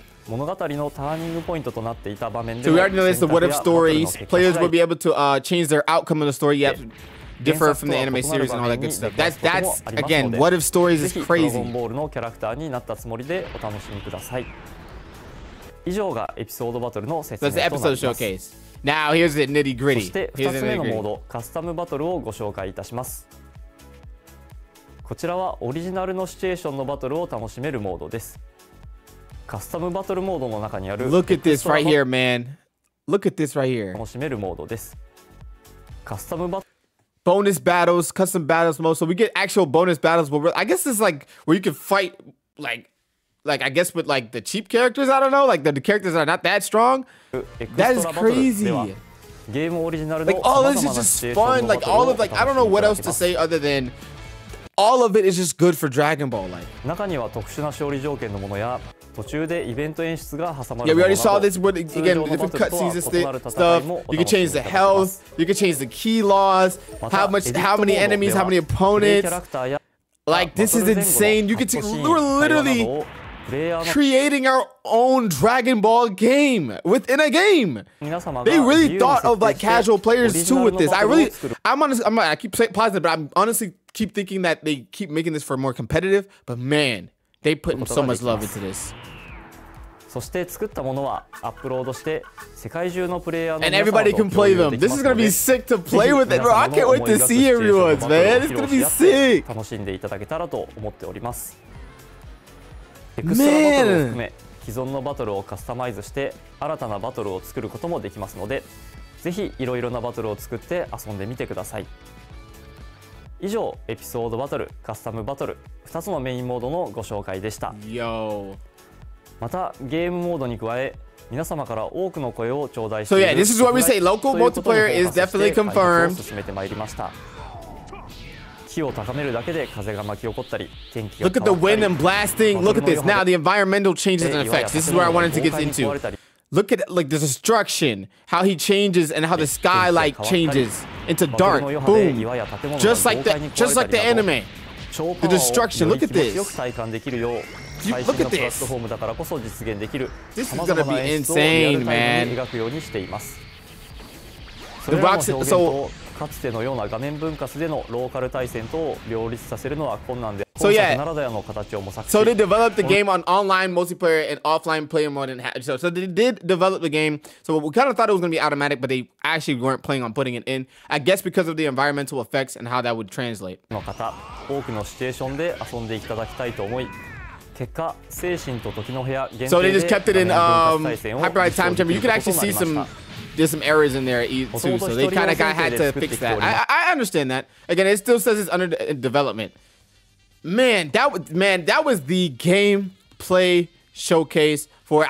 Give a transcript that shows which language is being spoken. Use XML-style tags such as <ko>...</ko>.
<ja>物語のターニングポイントとなっていた場面で、</ja> <en>so、we already know this, the what if stories. Players will be able to change their outcome of the story, yet differ from the anime series and all that good stuff. That's again, what if stories is crazy.</en> <ja>ドラゴンボールのキャラクターになったつもりでお楽しみください。以上がエピソードバトルの説明となります。</ja> <en>That's the episode showcase. Now here's the nitty gritty.</en> <ja>そして2つ目のモード、カスタムバトルをご紹介いたします。こちらはオリジナルのシチュエーションのバトルを楽しめるモードです。カスタムバトルモードの中にある</ja> <en>Look at this right here, man. Look at this right here.</en> <ja>楽しめるモードです。カスタムバトル</ja> <en>Bonus battles, custom battles mode. So we get actual bonus battles. I guess it's like where you can fight like I guess with like the cheap characters. I don't know. Like the characters are not that strong. That is crazy.</en> <ja>ゲームオリジナルの</ja> <en>Like all this is just fun. Like all of like I don't know what else to say other than all of it is just good for Dragon Ball. Like</en> <ja>中には特殊な勝利条件のものや途中でイベント演出が挟まる。</ja> <en>Yeah, we already saw this, but again, the different cutscenes and stuff. You can change the health, you can change the key laws, how many enemies, how many opponents. Like, this is insane. You can we're literally creating our own Dragon Ball game within a game. They really thought of like casual players too with this. I keep saying positive, but I'm honestly keep thinking that they keep making this for more competitive, but man, they put so much love into this.</en> <ja>そして作ったものはアップロードして世界中のプレイヤーの皆さんと共有できますので</ja> <en>This is gonna be sick to play with it, bro. I can't wait to see everyone's, man. It's gonna be sick.</en> <ja>楽しんでいただけたらと思っております。エクストラバトルを含め、既存のバトルをカスタマイズして新たなバトルを作ることもできますので、ぜひいろいろなバトルを作って遊んでみてください。以上、エピソードバトル、カスタムバトル、2つのメインモードのご紹介でした。</ja> <en>Yo.</en> <ja>またゲームモードに加え皆様から多くの声を頂戴しているということに加えて開発を進めてまいりました開発を進木を高めるだけで風が巻き起こったり天気が</ja> <en>Look at the wind and blasting! Look at this! Now the environmental changes and effects. This is where I wanted to get into. Look at like, the destruction! How he changes and how the sky like changes into dark! Boom! Just like the anime! The destruction! Look at this! Look at this! This is gonna be insane, man! The rocks, so...</en> <ja>かつてのような画面分割でのローカル対戦と両立させるのは困難で、今作ならではの形を模索</ja> <en>し、they developed the game on online multiplayer and offline player mode, and so they did develop the game. So we kind of thought it was going to be automatic, but they actually weren't planning on putting it in. I guess because of the environmental effects and how that would translate.</en> <ja>の方、多くのシチュエーションで遊んでいただきたいと思い、結果、精神と時の部屋限定で、</ja> <en>so they just kept it in hyperlight time chamber. You could actually see some. There's some errors in there too, so they kind of had to fix that. I understand that. Again, it still says it's under development. Man, that was the gameplay showcase for it.</en>